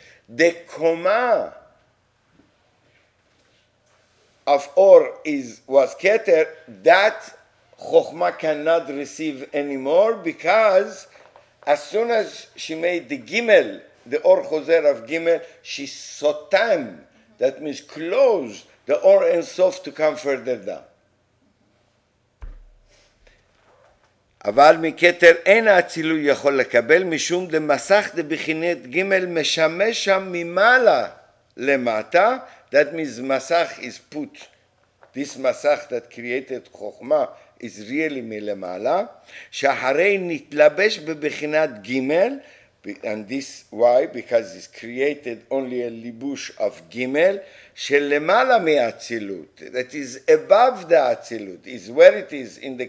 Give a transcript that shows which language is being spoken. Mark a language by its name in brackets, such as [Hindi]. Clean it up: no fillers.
[English] The koma of Or was Keter, that Chokhmah cannot receive anymore, because as soon as she made the Gimel, the Or Chozer of Gimel, she sotam, that means closed the Or Ein Sof to come further down. [Hebrew] אבל מכתר אין האצילות יכול לקבל משום דמסך דבחינת ג' משמש שם ממעלה למטה. [English] That means מסך is put. This מסך that created חוכמה is really מלמעלה. [Hebrew] שאחרי נתלבש בבחינת ג' [English] and this why? Because it's created only a ליבוש of ג' של למעלה מהאצילות. That is above the האצילות. Is where it is in the